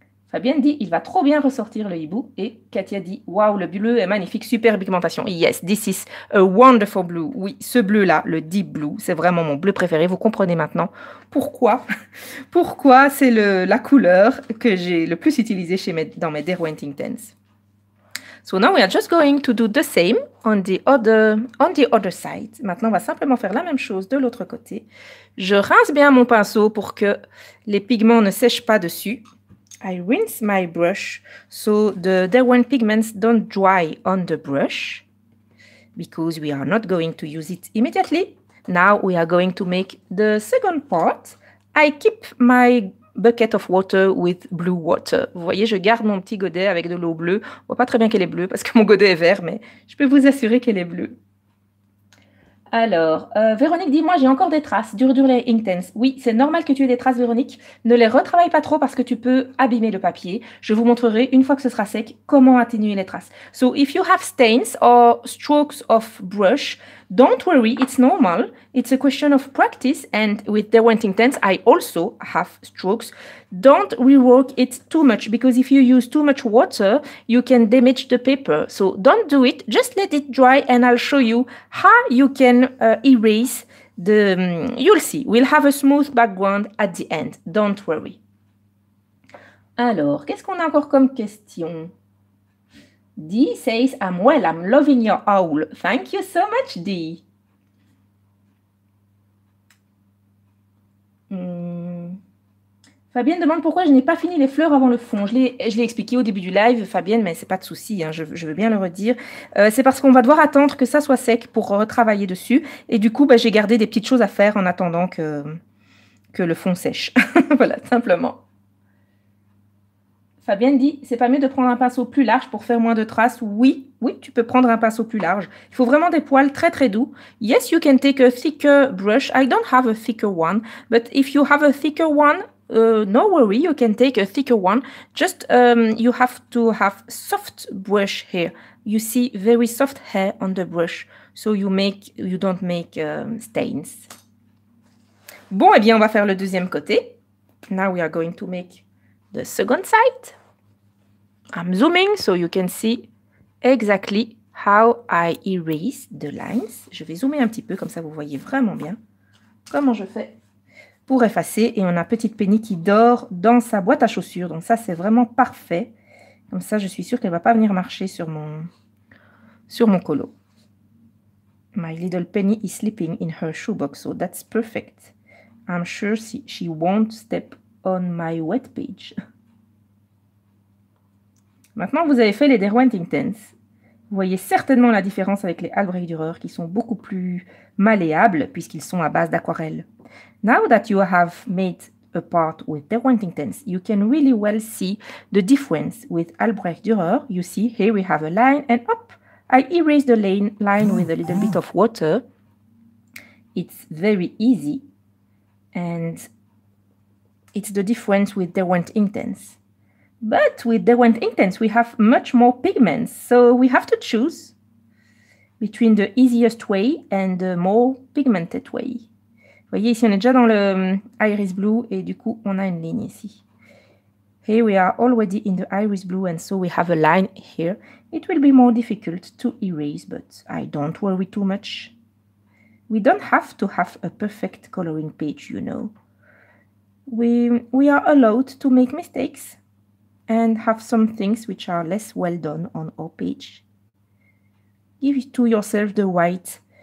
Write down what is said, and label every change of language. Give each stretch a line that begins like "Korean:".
French: Fabienne dit, il va trop bien ressortir le hibou. Et Katia dit, waouh, le bleu est magnifique, super pigmentation.
English: Yes, this is a wonderful blue.
French: Oui, ce bleu-là, le deep blue, c'est vraiment mon bleu préféré. Vous comprenez maintenant pourquoi, c'est la couleur que j'ai le plus utilisée dans mes Derwenting tents.
English: So now we are just going to do the same on the other side.
French: Maintenant, on va simplement faire la même chose de l'autre côté. Je rince bien mon pinceau pour que les pigments ne sèchent pas dessus.
English: I rinse my brush so the Derwent pigments don't dry on the brush because we are not going to use it immediately. Now we are going to make the second part. I keep my bucket of water with blue water.
French: Vous voyez, je garde mon petit godet avec de l'eau bleue. On ne voit pas très bien qu'elle est bleue parce que mon godet est vert, mais je peux vous assurer qu'elle est bleue. Alors, Véronique dit, moi j'ai encore des traces, dur les Inktense. Oui, c'est normal que tu aies des traces, Véronique. Ne les retravaille pas trop parce que tu peux abîmer le papier. Je vous montrerai, une fois que ce sera sec, comment atténuer les traces.
English: So, if you have stains or strokes of brush, don't worry, it's normal. It's a question of practice and with Derwent Inktense, I also have strokes. Don't rework it too much because if you use too much water, you can damage the paper. So, don't do it. Just let it dry and I'll show you how you can erase the... You'll see. We'll have a smooth background at the end. Don't worry.
French: Alors, qu'est-ce qu'on a encore comme question?
English: Dee says, I'm well, I'm loving your owl. Thank you so much, Dee.
French: Fabienne demande pourquoi je n'ai pas fini les fleurs avant le fond. Je l'ai expliqué au début du live, Fabienne, mais ce n'est pas de souci, hein, je veux bien le redire. C'est parce qu'on va devoir attendre que ça soit sec pour retravailler dessus. Et du coup, bah, j'ai gardé des petites choses à faire en attendant que le fond sèche. Voilà, simplement. Fabienne dit, c'est pas mieux de prendre un pinceau plus large pour faire moins de traces. Oui, oui, tu peux prendre un pinceau plus large. Il faut vraiment des poils très, très doux.
English: Yes, you can take a thicker brush. I don't have a thicker one, but if you have a thicker one, no worry, you can take a thicker one. Just you have to have soft brush hair. You see very soft hair on the brush, so you don't make stains.
French: Bon, eh bien, on va faire le deuxième côté.
English: Now we are going to make the second side. I'm zooming so you can see exactly how I erase the lines.
French: Je vais zoomer un petit peu, comme ça vous voyez vraiment bien comment je fais pour effacer. Et on a petite Penny qui dort dans sa boîte à chaussures. Donc ça, c'est vraiment parfait. Comme ça, je suis sûre qu'elle ne va pas venir marcher sur mon colo.
English: My little Penny is sleeping in her shoebox, so that's perfect. I'm sure she won't step on my wet page.
French: Maintenant, vous avez fait les Derwenting Tents. Vous voyez certainement la différence avec les Albrechtdürer qui sont beaucoup plus malléables puisqu'ils sont à base d'aquarelle.
English: Now that you have made a part with Derwenting Tents, you can really well see the difference with Albrechtdürer. You see, here we have a line and hop, I erase the line with a little bit of water. It's very easy and it's the difference with Derwenting Tents. But with Derwent Inktense, we have much more pigments. So we have to choose between the easiest way and the more pigmented way.
French: Vous voyez, ici, on est déjà dans le iris blue et du coup, on a une ligne ici.
English: Here we are already in the iris blue and so we have a line here. It will be more difficult to erase, but I don't worry too much. We don't have to have a perfect coloring page, you know. We are allowed to make mistakes and have some things which are less well done on our page. Give it to yourself the right